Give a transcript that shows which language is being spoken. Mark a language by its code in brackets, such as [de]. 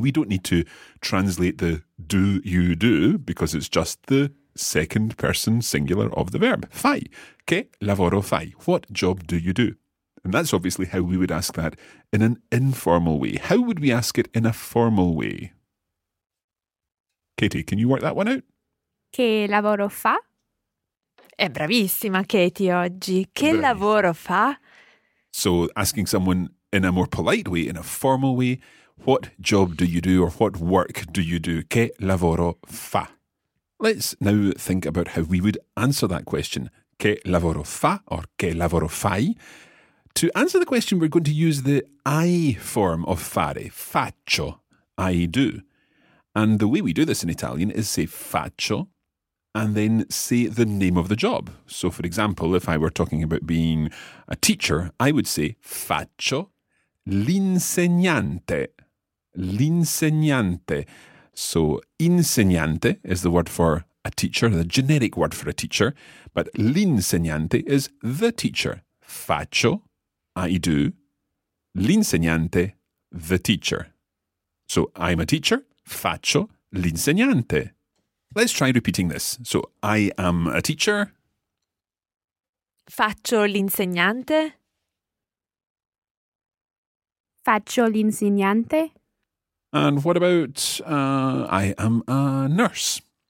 [en] We don't need to translate the do you do because it's just the second person singular of the verb. Fai. [it] Che lavoro fai? [en] What job do you do? And that's obviously how we would ask that in an informal way. How would we ask it in a formal way? Katie, can you work that one out? [it] Che lavoro fa? È bravissima Katie oggi. Che lavoro fa? [en] So asking someone in a more polite way, in a formal way, what job do you do or what work do you do? [it] Che lavoro fa? [en] Let's now think about how we would answer that question. [it] Che lavoro fa or che lavoro fai? [en] To answer the question, we're going to use the I form of fare, faccio, I do. And the way we do this in Italian is say faccio and then say the name of the job. So, for example, if I were talking about being a teacher, I would say [it] faccio l'insegnante, l'insegnante. [en] So insegnante is the word for a teacher, the generic word for a teacher, but l'insegnante is the teacher. Faccio, I do, l'insegnante, the teacher. So I'm a teacher, [it] faccio l'insegnante. [en] Let's try repeating this. So I am a teacher. [it] Faccio l'insegnante. Faccio l'insegnante. [en] And what about I am a nurse?